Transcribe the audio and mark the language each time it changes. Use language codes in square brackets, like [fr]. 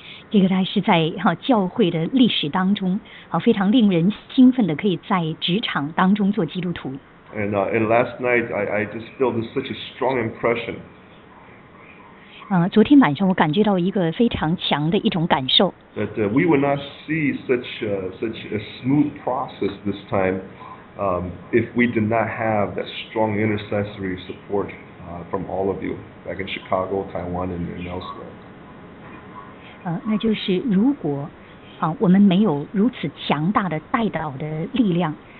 [zh] 这个是在教会的历史当中，非常令人兴奋的，可以在职场当中做基督徒。 [en] And last night, I just felt such a strong impression. [zh] 昨天晚上我感觉到一个非常强的一种感受。 [en] That we will not see such a smooth process this time if we did not have that strong intercessory support from all of you back in Chicago, Taiwan, and elsewhere. [zh] 那就是如果我们没有如此强大的代祷的力量。